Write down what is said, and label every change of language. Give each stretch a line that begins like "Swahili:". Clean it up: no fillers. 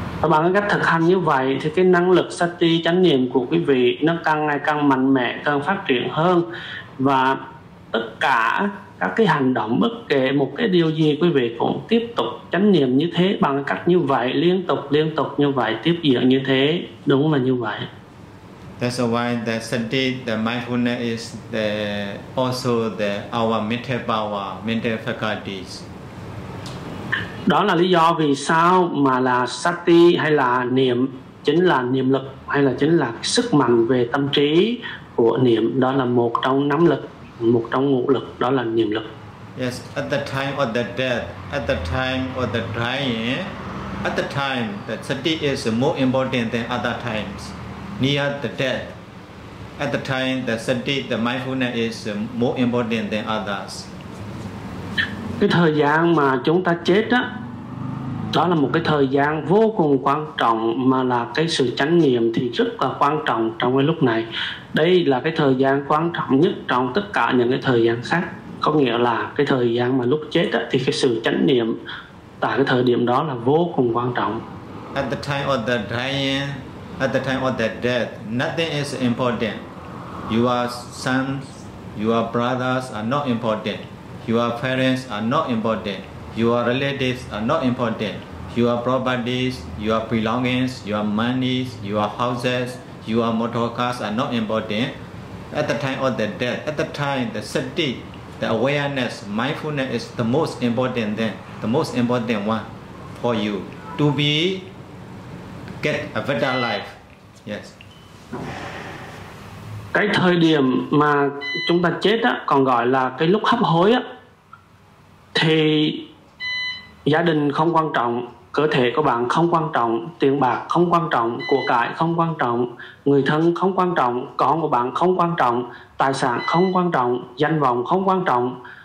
Vietnamese: Bằng cách thực hành như vậy, thì cái năng lực sati chánh niệm của quý vị nó càng ngày càng mạnh mẽ, càng phát triển hơn, và tất cả các cái hành động, bất kể một cái điều gì, quý vị cũng tiếp tục chánh niệm như thế, bằng cách như vậy, liên tục như vậy, tiếp diễn như thế, đúng là như vậy.
English: That's why the sati, the mindfulness is the also the our mental power, mental faculties.
Vietnamese: Đó là lý do vì sao mà là sati hay là niệm, chính là niệm lực hay là chính là sức mạnh về tâm trí của niệm, đó là một trong năm lực, một trong ngũ lực, đó là niệm lực.
English: Yes, at the time of the death, at the time of the dying, at the time the sati is more important than other times. Near the death, at the time the sati, the mindfulness is more important than others.
Vietnamese: Cái thời gian mà chúng ta chết á, đó là một cái thời gian vô cùng quan trọng, mà là cái sự chánh niệm thì rất là quan trọng trong cái lúc này. Đây là cái thời gian quan trọng nhất trong tất cả những cái thời gian khác. Có nghĩa là cái thời gian mà lúc chết á, thì cái sự chánh niệm tại cái thời điểm đó là vô cùng quan trọng.
English: At the time of the dying, at the time of the death, nothing is important. Your sons, your brothers are not important. Your parents are not important. your relatives are not important. Your properties, your belongings, your monies, your houses, your motor cars are not important. At the time of the death, at the time, the sati, the awareness, mindfulness is the most important thing, the most important one for you to be, get a better life. Yes.
Vietnamese: Cái thời điểm mà chúng ta chết á, còn gọi là cái lúc hấp hối á, thì gia đình không quan trọng, cơ thể của bạn không quan trọng, tiền bạc không quan trọng, của cải không quan trọng, người thân không quan trọng, con của bạn không quan trọng, tài sản không quan trọng, danh vọng không quan trọng,